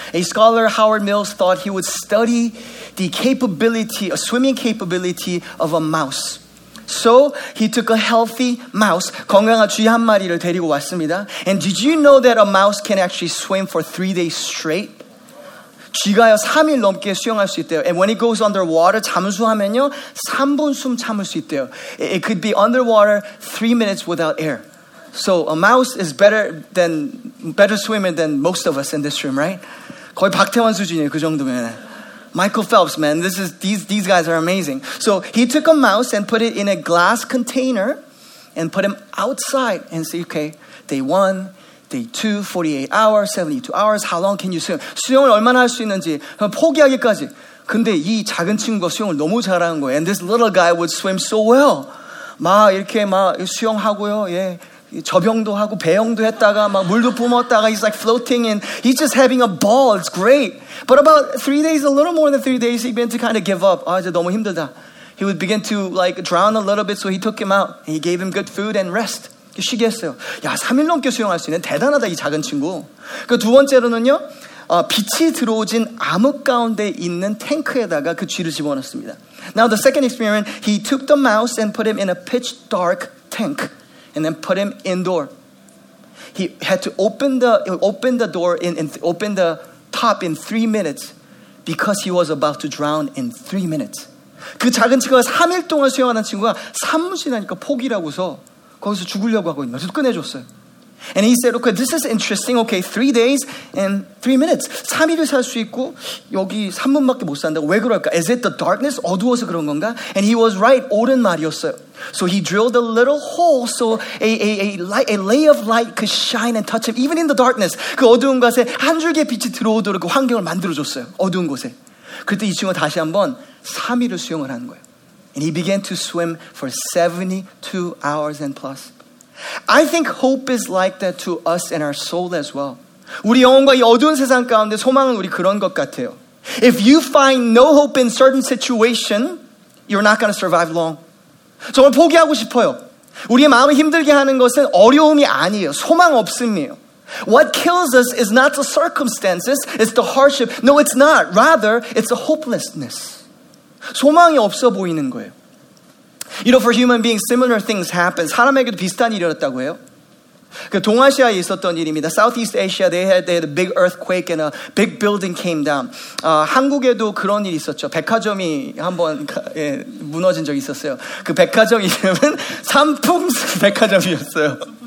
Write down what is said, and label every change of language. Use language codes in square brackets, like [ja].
[en] A scholar Howard Mills thought he would study the capability, a swimming capability of a mouse. So he took a healthy mouse, [ko] 건강한 쥐 한 마리를 데리고 왔습니다. [en] And did you know that a mouse can actually swim for 3 days straight? [ko] 쥐가요 3일 넘게 수영할 수 있대요. [en] And when it goes underwater, [ko] 잠수하면요 3분 숨 참을 수 있대요. [en] It could be underwater 3 minutes without air. So a mouse is better swimmer than most of us in this room, right? [ko] 거의 박태환 수준이에요, 그 정도면. [en] Michael Phelps, man, these guys are amazing. So he took a mouse and put it in a glass container and put him outside and say, okay, day one, day two, 48 hours, 72 hours, how long can you swim? [ko] 수영을 얼마나 할 수 있는지, 포기하기까지. 근데 이 작은 친구가 수영을 너무 잘하는 거예요. [en] And this little guy would swim so well. [ko] 막 이렇게 막 수영하고요, 예. 접영도 하고 배영도 했다가 막 물도 뿜었다가 [en] he's like floating and he's just having a ball. It's great. But about 3 days, a little more than 3 days, he began to kind of give up. [ko] 아 이제 너무 힘들다. [en] He would begin to like drown a little bit, so he took him out and he gave him good food and rest. [ko] 쉬게 했어요. 야, 3일 넘게 수영할 수 있는 대단하다 이 작은 친구. 그 두 번째로는요, 빛이 들어오진 암흑 가운데 있는 탱크에다가 그 쥐를 집어넣습니다. [en] Now the second experiment, he took the mouse and put him in a pitch dark tank. And then put him indoor. He had to open the top in 3 minutes because he was about to drown in 3 minutes. [ko] 그 작은 친구가 3일 동안 수영하는 친구가 3분 지나니까 포기라고서 거기서 죽으려고 하고 있는 것을 꺼내줬어요. [en] And he said, okay, this is interesting. Okay, 3 days and 3 minutes. [ko] 3일을 살 수 있고 여기 3분밖에 못 산다. 왜 그럴까? [en] Is it the darkness? [ko] 어두워서 그런 건가? [en] And he was right. [ko] 옳은 말이었어요. [en] So he drilled a little hole so a ray of light could shine and touch him, even in the darkness. [ko] 그 어두운 곳에 한 줄기의 빛이 들어오도록 그 환경을 만들어줬어요. 어두운 곳에. 그때 이 친구가 다시 한번 3일을 수영을 하는 거예요. [en] And he began to swim for 72 hours and plus. I think hope is like that to us and our soul as well. [ko] 우리 영혼과 이 어두운 세상 가운데 소망은 우리 그런 것 같아요. [en] If you find no hope in certain situation, you're not going to survive long. [ko] 정말 포기하고 싶어요. 우리의 마음을 힘들게 하는 것은 어려움이 아니에요. 소망 없음이에요. [en] What kills us is not the circumstances, it's the hardship. No, it's not. Rather, it's the hopelessness. [ko] 소망이 없어 보이는 거예요. [en] You know, for human beings, similar things happen. [ko] 사람에게도 비슷한 일이 일어났다고 해요. 그 동아시아에 있었던 일입니다. [en] Southeast Asia, they had a big earthquake and a big building came down. [ko] 한국에도 그런 일이 있었죠. 백화점이 한번 예, 무너진 적이 있었어요. 그 백화점 이름은 삼풍 백화점이었어요.